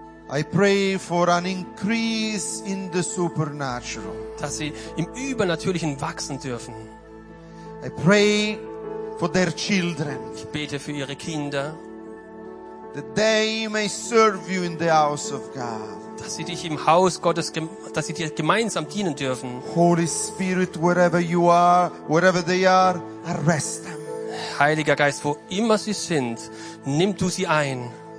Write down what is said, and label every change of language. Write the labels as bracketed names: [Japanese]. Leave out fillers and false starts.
[English] I pray for an increase in the supernatural. [German] Dass sie im Übernatürlichen wachsen dürfen. [English] I pray for their children. [German] Ich bete für ihre Kinder. [English] That they may serve you in the house of God. [German] Dass sie dich im Haus Gottes, dass sie dir gemeinsam dienen dürfen. [English] Holy Spirit, wherever you are, wherever they are, arrest them. [German] Heiliger Geist, wo immer sie sind, nimm du sie ein.